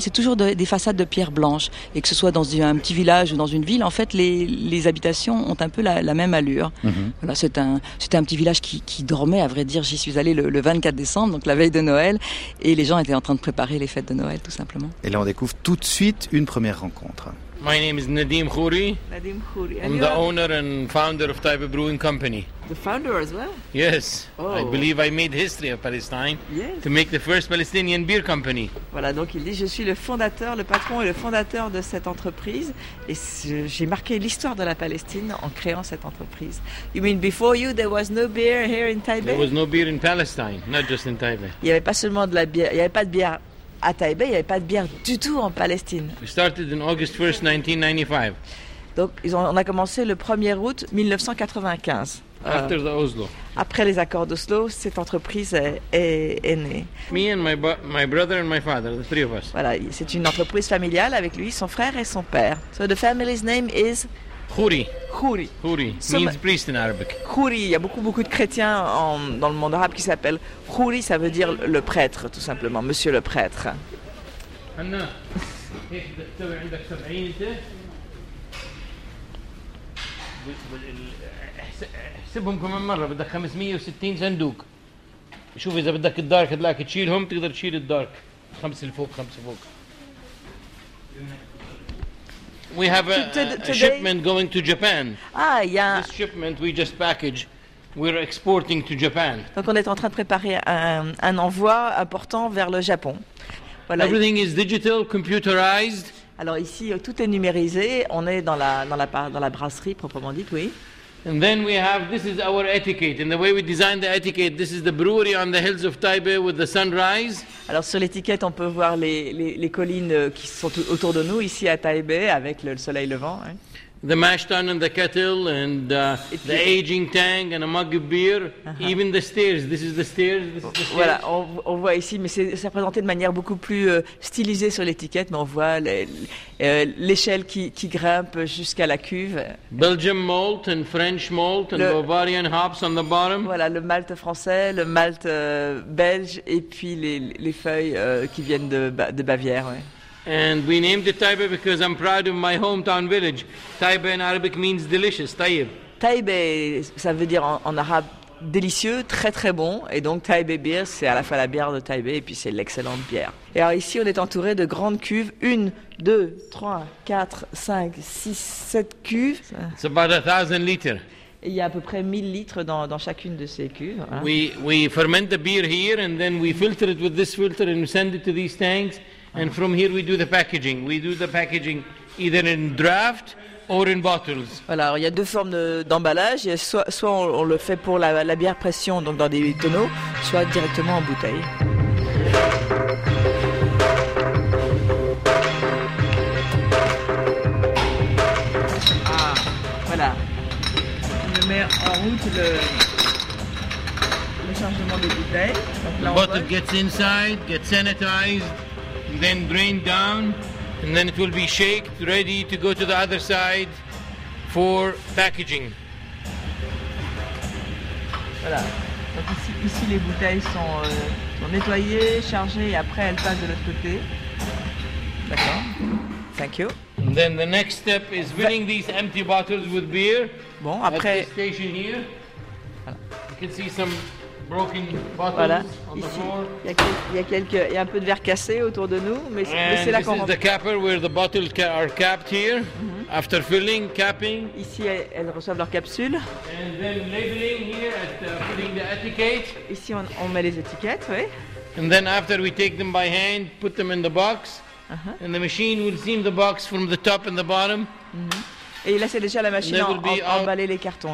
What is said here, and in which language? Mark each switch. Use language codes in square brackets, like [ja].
[fr] C'est toujours des façades de pierre blanche. Et que ce soit dans un petit village ou dans une ville, en fait, les habitations ont un peu la même allure. Mm-hmm. Voilà, c'était un petit village qui dormait, à vrai dire. J'y suis allée le 24 décembre, donc la veille de Noël. Et les gens étaient en train de préparer les fêtes de Noël, tout simplement. Et là, on découvre tout de suite une première rencontre. [en] My name is Nadim Khoury. Nadim Khoury. I'm the owner and founder of Taiba Brewing Company. The founder as well? Yes. Oh. I believe I made history of Palestine. Yes. To make the first Palestinian beer company. [fr] Voilà, donc il dit, je suis le patron et le fondateur de cette entreprise. Et j'ai marqué l'histoire de la Palestine en créant cette entreprise. [en] You mean before you, there was no beer here in Taipei? There was no beer in Palestine, not just in Taipei. [fr] Il n'y avait pas seulement de la bière, il n'y avait pas de bière. À Taïbé, il n'y avait pas de bière du tout en Palestine. [en] We started in August 1st, 1995. [fr] Donc, on a commencé le 1er août 1995. [en] After the Oslo. [fr] Après les accords d'Oslo, cette entreprise est née. [en] Me and my brother and my father, the three of us. [fr] Voilà, c'est une entreprise familiale avec lui, son frère et son père. [en] So the family's name is Khoury. Khoury. Khoury means priest in Arabic. [fr] Khoury, il y a beaucoup de chrétiens dans le monde arabe qui s'appellent Khoury, ça veut dire le prêtre, tout simplement, monsieur le prêtre. [en] Anna, we have a shipment going to Japan. [fr] Ah, il y a... [en] This shipment we just package. We're exporting to Japan. [fr] Donc on est en train de préparer un envoi important vers le Japon. [en] Voilà. Everything is digital, computerized. [fr] Alors ici, tout est numérisé. On est dans la brasserie, proprement dit, oui. [en] And then we have, this is our etiquette. And the way we design the etiquette, this is the brewery on the hills of Taipei with the sunrise. [fr] Alors sur l'étiquette, on peut voir les collines qui sont autour de nous, ici à Taipei, avec le soleil levant. Hein. [en] The mash tun and the kettle and the aging tank and a mug of beer, uh-huh. Even the stairs. This is the stairs. [fr] Voilà, on voit ici, mais c'est présenté de manière beaucoup plus stylisée sur l'étiquette, mais on voit l'échelle qui grimpe jusqu'à la cuve. [en] Belgian malt and French malt and Bavarian hops on the bottom. [fr] Voilà, le malt français, le malt belge et puis les feuilles qui viennent de Bavière, ouais. [en] And we named it Taibe because I'm proud of my hometown village. Taibe in Arabic means delicious, Taib. [fr] Taibe, ça veut dire en arabe délicieux, très très bon. Et donc Taibe beer, c'est à la fois la bière de Taibe et puis c'est l'excellente bière. Et alors ici, on est entouré de grandes cuves. 1, 2, 3, 4, 5, 6, 7 cuves. [en] It's about 1,000 liters. [fr] Il y a à peu près 1000 litres dans chacune de ces cuves. Voilà. [en] We ferment the beer here and then we filter it with this filter and we send it to these tanks. And from here we do the packaging. We do the packaging either in draft or in bottles. [fr] Voilà, il y a deux formes d'emballage. Soit on le fait pour la bière pression, donc dans des tonneaux, soit directement en bouteille. Ah, voilà. On le met en route le chargement de bouteille. [en] The bottle gets inside, gets sanitized. Then drain down, and then it will be shaked, ready to go to the other side for packaging. [fr] Voilà. Donc ici les bouteilles sont nettoyées, chargées, et après elles passent de l'autre côté. D'accord. [en] Thank you. And then the next step is filling these empty bottles with beer. [fr] Bon, après. [en] At this station here, voilà. You can see some. Broken bottles, voilà. [fr] Ici, il y a un peu de verre cassé autour de nous, mais c'est là qu'on. [en] This is the capper where the bottles are capped here. Mm-hmm. After filling, capping. [fr] Ici, elles reçoivent leur capsule. [en] And then labeling here at putting the etiquette. [fr] Ici, on met les étiquettes, oui. [en] And then after we take them by hand, put them in the box. Uh-huh. And the machine will seam the box from the top and the bottom. Mm-hmm. [fr] Et là, c'est déjà la machine à emballer les cartons.